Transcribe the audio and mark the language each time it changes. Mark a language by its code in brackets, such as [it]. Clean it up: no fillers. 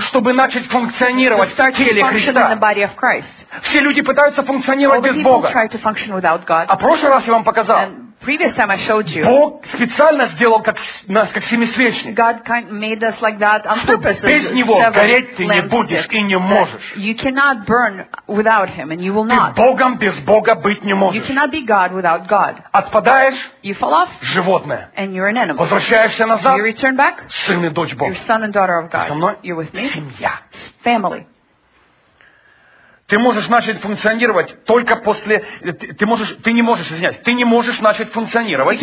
[ru] чтобы начать функционировать в теле Христа. Все люди пытаются функционировать без Бога. [en] God, [ru] а в прошлый раз я вам показал, [en] Previous time I showed you. [ru] Бог специально сделал как, нас как семисвечник. [en] God made us like that on purpose. [ru] Без него гореть ты не будешь и не можешь. [en] You cannot burn without him and you will not. [ru] Ты Богом без Бога быть не можешь. [en] You cannot be God without God. [ru] Отпадаешь. [en] You fall off. [ru] Животное. [en] And you're an animal. [ru] Возвращаешься назад. [en] You return back. [ru] Сын и дочь Бога. [en] You're son and daughter of God. [ru] Со мной. [en] You're with me. [ru] Семья. [en] Family. [ru] Ты можешь начать функционировать только после... Ты не можешь начать функционировать